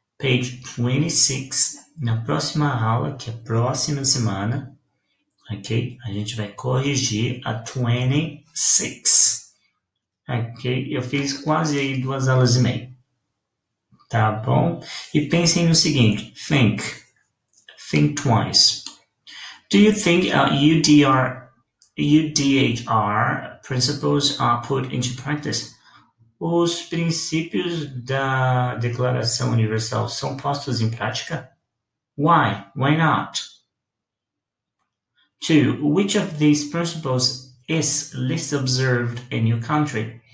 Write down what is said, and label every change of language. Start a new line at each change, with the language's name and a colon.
English: Page 26,
Portuguese: na próxima aula, que é a próxima semana, ok? A gente vai corrigir a 26, ok? Eu fiz quase aí 2 aulas e meia, tá bom? E pensem no seguinte,
English: think twice. Do you think UDHR principles are put into practice?
Portuguese: Os princípios da Declaração Universal são postos em prática?
English: Why not? 2. Which of these principles is least observed in your country?